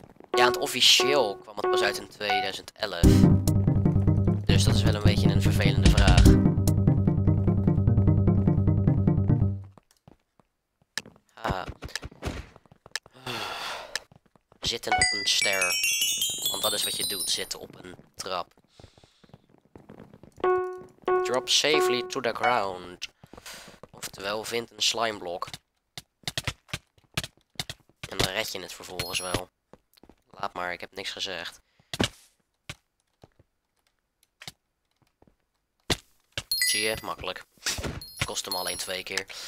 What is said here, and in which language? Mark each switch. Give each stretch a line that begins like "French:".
Dutch: Ja, want officieel kwam het pas uit in 2011. Dus dat is wel een beetje een vervelende vraag. Zitten op een ster. Want dat is wat je doet, zitten op een trap.
English: Drop safely to the ground.
Dutch: Oftewel, vind een slimeblok. En dan red je het vervolgens wel. Laat maar, ik heb niks gezegd. Zie je, makkelijk. Kost hem alleen 2 keer.